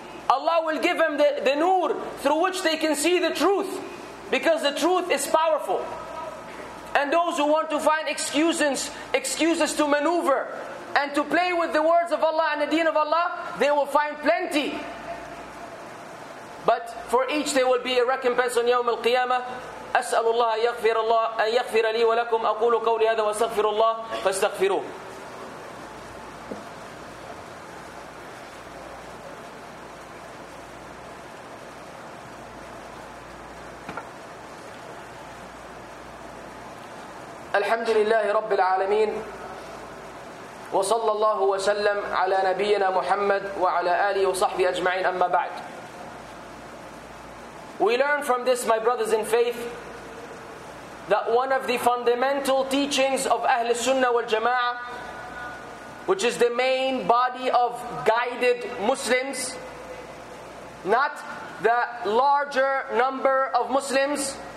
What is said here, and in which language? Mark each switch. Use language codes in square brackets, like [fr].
[en] Allah will give them the nur through which they can see the truth. Because the truth is powerful. and those who want to find excuses to maneuver and to play with the words of Allah and the deen of Allah, they will find plenty. But for each there will be a recompense on Yawm al-Qiyamah. [ar] أسأل الله يغفر الله أن يغفر لي ولكم أقول قولي هذا واستغفر الله فاستغفروه. الحمد لله رب العالمين وصلى الله وسلم على نبينا محمد وعلى آله وصحبه أجمعين أما بعد. [en] We learn from this, my brothers in faith, that one of the fundamental teachings of Ahl Sunnah wal Jama'ah, which is the main body of guided Muslims, not the larger number of Muslims.